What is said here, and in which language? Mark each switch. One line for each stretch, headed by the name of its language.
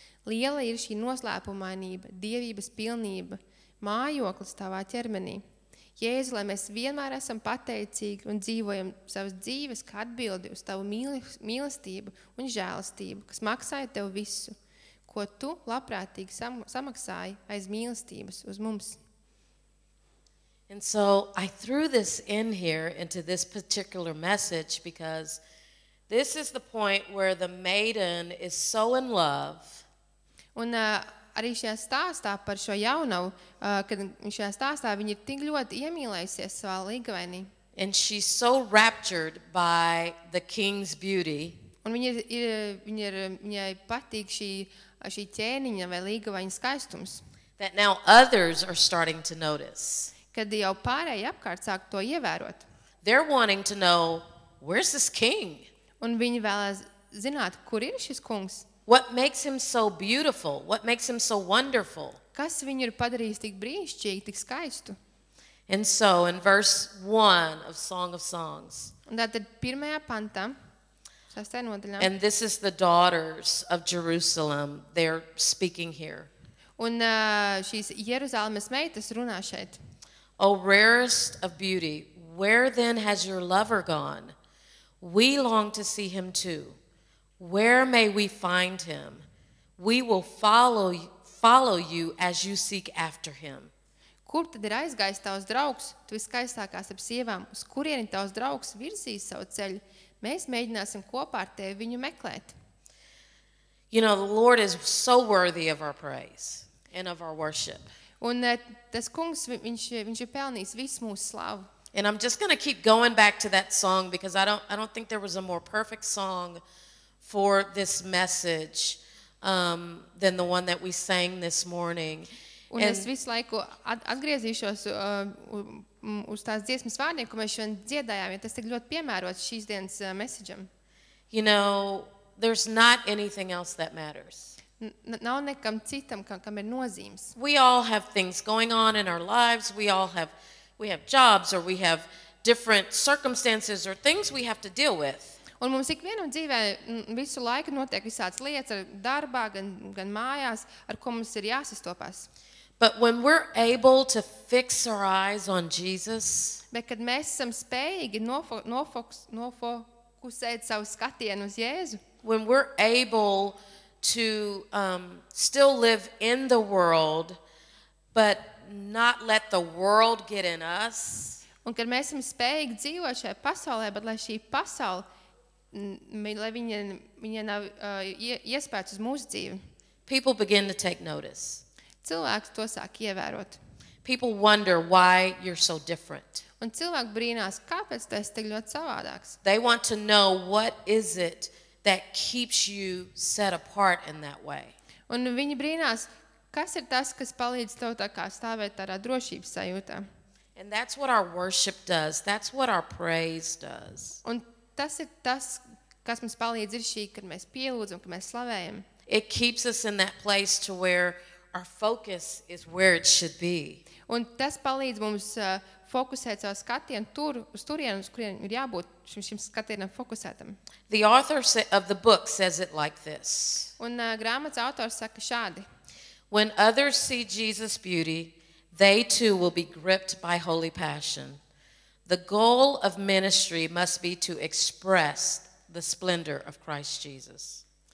Latvian: Liela ir šī noslēpumainība, dievības pilnība, mājoklis tavā ķermenī. Jēzu, lai mēs vienmēr esam pateicīgi un dzīvojam savas dzīves kā atbildi uz tavu mīlestību un žēlastību, kas maksāja tev visu, ko tu labprātīgi samaksāji aiz mīlestības uz mums.
English: And so I threw this in here into this particular message because this is the point where the maiden is so in love.
Latvian: Un arī šajā stāstā par šo jaunavu, kad šajā stāstā viņa ir tik ļoti iemīlējusies savā līgavainī.
English: And she's so raptured by the king's beauty.
Latvian: Un viņai patīk šī ķēniņa vai līgavaiņa skaistums.
English: That now others are starting to notice.
Latvian: Kad jau pārēji apkārt sāk to ievērot.
English: They're wanting to know, where's this king?
Latvian: Un viņi vēlas zināt, kur ir šis kungs.
English: What makes him so beautiful? What makes him so wonderful?
Latvian: Kas viņu ir padarījis tik brīnišķīgu, tik skaistu?
English: And so, in verse 1 of Song of Songs.
Latvian: Un tātad pirmajā pantā, sastajā nodaļā.
English: And this is the daughters of Jerusalem. They're speaking here.
Latvian: Un šīs Jeruzalemes meitas runā šeit.
English: O rarest of beauty, where then has your lover gone? We long to see him too. Where may we find him? We will follow follow you as you seek after him.
Latvian: Kur tad ir aizgājis tavs draugs? Tu skaistākās ap sievām. Uz kurieni tavs draugs virzīs savu ceļu? Mēs mēģināsim kopā ar tevi viņu meklēt.
English: You know, the Lord is so worthy of our praise and of our worship.
Latvian: Un tas kungs, viņš ir pelnījis visu mūsu slavu.
English: And I'm just going to keep going back to that song because I don't think there was a more perfect song for this message than the one that we sang this morning.
Latvian: Un es visu laiku atgriezīšos uz tās dziesmas vārdiem, ko mēs šodien dziedājām, jo tas tik ļoti piemērots šīs dienas messageam.
English: You know, there's not anything else that matters.
Latvian: Nav nekam citam, kam ir nozīmes.
English: We all have things going on in our lives. We have jobs or we have different circumstances or things we have to deal with.
Latvian: Un mums ikvienam dzīvē visu laiku notiek visādas lietas, ar darbā, gan mājās, ar ko mums ir jāsastopas.
English: But when we're able to fix our eyes on Jesus,
Latvian: bet kad mēs esam spējīgi nofokusēt savu skatienu uz Jēzu,
English: when we're able to still live in the world, but not let the world get in us.
Latvian: Un kad mēs esam spējīgi dzīvot šajā pasaulē, bet lai šī pasaule, lai viņa nav iespējas uz mūsu dzīvi.
English: People begin to take notice.
Latvian: Cilvēks to sāk ievērot.
English: People wonder why you're so different.
Latvian: Un cilvēki brīnās, kāpēc tu esi tik ļoti savādāks.
English: They want to know what is it that keeps you set apart in that way.
Latvian: Un viņi brīnās, kas ir tas, kas palīdz tev tā kā stāvēt tādā drošības sajūtā.
English: And that's what our worship does. That's what our praise does.
Latvian: Un tas ir tas, kas mums palīdz ir šī, kad mēs pielūdzam, kad mēs slavējam.
English: It keeps us in that place to where our focus is where it should be.
Latvian: Un tas palīdz mums fokusēt savu skatienu tur, uz turienu, uz kurienu ir jābūt šim skatienam fokusētam.
English: The author of the book says it like this.
Latvian: Un grāmatas autors saka šādi.
English: When others see Jesus' beauty, they too will be gripped by holy passion. The goal of ministry must be to express the splendor of Christ Jesus.